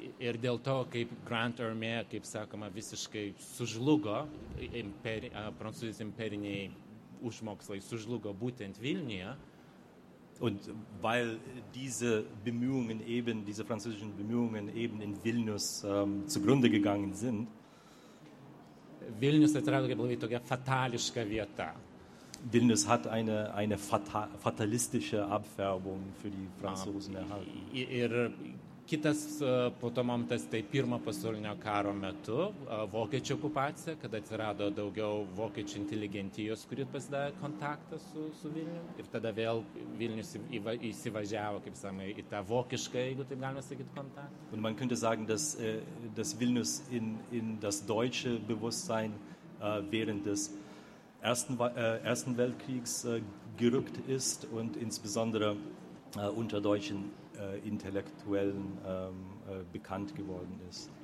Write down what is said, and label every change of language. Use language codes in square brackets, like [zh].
[lt] Ir dėl to, kaip Grand Army, kaip sakoma, visiškai sužlugo prancūzijos imperiniai užmokslai sužlugo būtent Vilniuje. [de] Und weil diese Bemühungen eben, diese französischen Bemühungen eben in Vilnius zugrunde gegangen sind. [lt] Vilnius atrodo kaip labai tokia fatališka vieta. [de] Vilnius hat eine fatalistische Abfärbung für die Franzosen erhalten. [lt] Ir kitas po to momentas, tai pirmo pasaulinio karo metu, vokiečių okupacija, kada atsirado daugiau vokiečių inteligentijos, kuri pasidavė kontaktą su Vilniumi. Ir tada vėl Vilnius įsivažiavo, kaip sakoma, į tą vokišką, jeigu taip galima sakyti, kontaktą. [de] Und man könnte sagen, dass Vilnius in das deutsche Bewusstsein während des Ersten Weltkriegs gerückt ist und insbesondere unter deutschen Intellektuellen bekannt geworden ist.